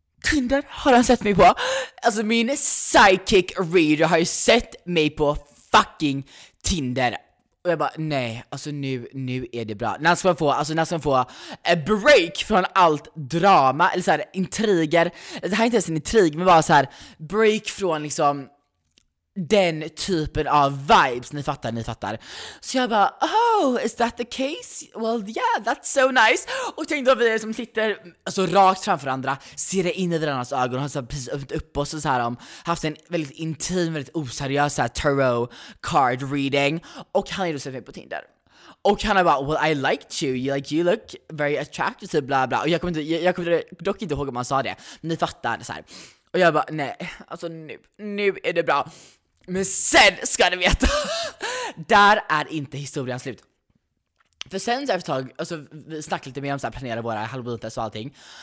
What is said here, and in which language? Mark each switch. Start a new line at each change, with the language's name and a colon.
Swedish: Tinder har han sett mig på? Alltså min psychic reader har ju sett mig på fucking Tinder. Och jag bara, nej, alltså nu är det bra. När ska man få, alltså när ska man få en break från allt drama eller så här intriger. Det här är inte ens en intrig, men bara så här break från liksom den typen av vibes, ni fattar. Så jag bara,
English: oh, is that the case? Well, yeah, that's so nice.
Swedish: Och tänk då vi som sitter alltså rakt framför andra, ser det in i varandras ögon och har så här precis öppnat upp oss och så här, haft en väldigt intim, väldigt oseriös så här tarot card reading. Och han är då sett mig på Tinder. Och han är bara,
English: well, I liked you. Like, you look very attractive, bla bla.
Swedish: Och jag kommer dock inte ihåg om han sa det. Ni fattar, så här. Och jag bara, nej, alltså nu är det bra. Men sen ska du veta, där är inte historien slut. För sen så efter ett tag, alltså vi snackade lite mer om så här, planera våra halloweenfest och allting.